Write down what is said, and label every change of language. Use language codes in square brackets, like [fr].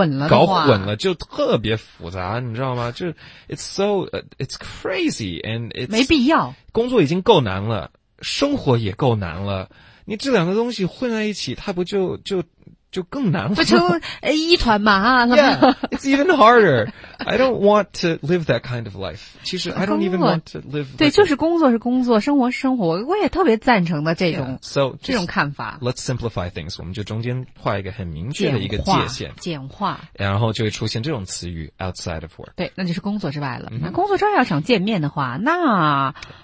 [zh] 搞混了就特别复杂，你知道吗？就 [en] it's crazy and it's [zh] 没必要，工作已经够难了，生活也够难了，你这两个东西混在一起，它不就更难了，不成一团麻了。 [en] Yeah, it's even harder. I don't want to live that kind of life. 其实 I don't even want to live. [zh] 对，就是工作是工作，生活是生活，我也特别赞成的这种 [en] yeah, so [zh] 这种看法。 [en] Let's simplify things. [zh] 我们就中间画一个很明确的一个界限，简化，然后就会出现这种词语 outside of work. 对，那就是工作之外了。Mm-hmm. 那工作之外要想见面的话，那